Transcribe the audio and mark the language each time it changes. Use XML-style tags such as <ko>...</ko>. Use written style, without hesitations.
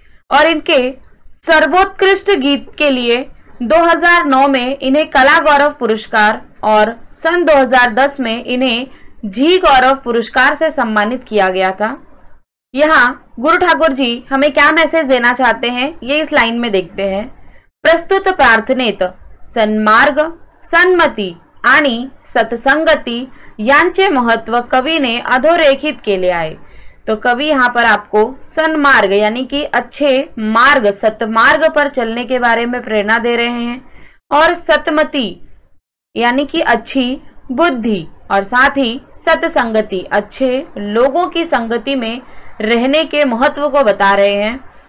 <hi>और इनके सर्वोत्कृष्ट गीत के लिए 2009 में इन्हें कला गौरव पुरस्कार और सन 2010 में इन्हें जी गौरव पुरस्कार से सम्मानित किया गया था। यहाँ गुरु ठाकुर जी हमें क्या मैसेज देना चाहते हैं ये इस लाइन में देखते हैं।</hi> <mr>प्रस्तुत प्रार्थनेत सन्मार्ग, सन्मति आणि सत्संगति यांचे महत्व कवि ने अधोरेखित केले आहे।</mr> <hi>तो कवि यहाँ पर आपको सन्मार्ग यानी कि अच्छे मार्ग, सत्मार्ग पर चलने के बारे में प्रेरणा दे रहे हैं और सतमति यानी कि अच्छी बुद्धि और साथ ही सत्संगति अच्छे लोगों की संगति में रहने के महत्व को बता रहे हैं।</hi>